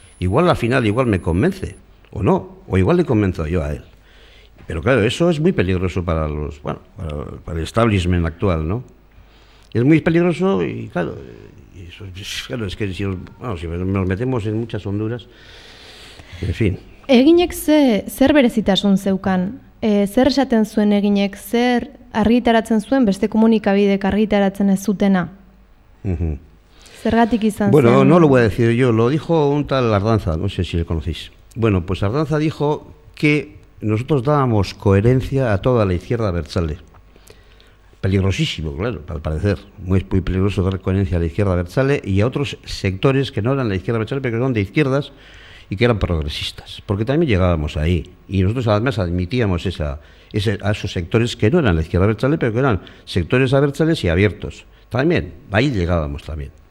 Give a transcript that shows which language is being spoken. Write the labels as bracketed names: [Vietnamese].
[Spanish] Igual al final igual me convence o no, o igual le convenzo yo a él, pero claro, eso es muy peligroso para los, bueno, para el establishment actual, ¿no? Es muy peligroso. Y claro, es que si nos metemos en muchas honduras, en fin. [Basque] Eginek zer berezitasun zeukan? Zer esaten zuen Eginek, zer argitaratzen zuen beste komunikabidek argitaratzen ez zutena? Uh-huh. Zergatik izan [Spanish] bueno, [Basque] zen? [Spanish] Bueno, no lo voy a decir yo, lo dijo un tal Ardanza, no sé si le conocéis. Bueno, pues Ardanza dijo que nosotros dábamos coherencia a toda la izquierda abertzale. Peligrosísimo, claro, al parecer. Muy peligroso dar coherencia a la izquierda abertzale y a otros sectores que no eran la izquierda abertzale, pero que son de izquierdas, y que eran progresistas, porque también llegábamos ahí, y nosotros además admitíamos a esos sectores que no eran la izquierda abertzale, pero que eran sectores abertzales y abiertos, también, ahí llegábamos también.